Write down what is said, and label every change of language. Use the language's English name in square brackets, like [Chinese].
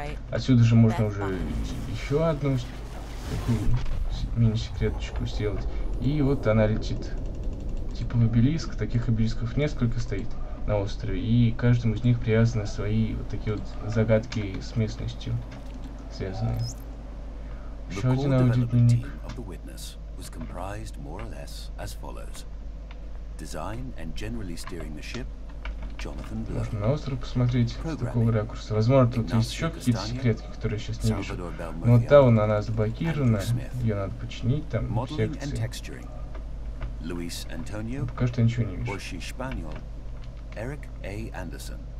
[Russian] Отсюда же можно уже еще одну такую мини-секреточку сделать. И вот она летит. Типа в обелиск. Таких обелисков несколько стоит на острове. И каждому из них привязаны свои вот такие вот загадки с местностью связанные. Еще один аудиодневник. [English] Comprised more or less as follows: design and generally steering the ship, Jonathan Blow. [Russian] Можно на остров посмотреть с такого ракурса. Возможно, тут есть еще какие-то секретки, которые сейчас не вижу. Но та вон она заблокирована, ее надо починить там в секции. Луис Антонио. Пока что ничего не вижу. Шпаниол, Эрик А. Андерсон.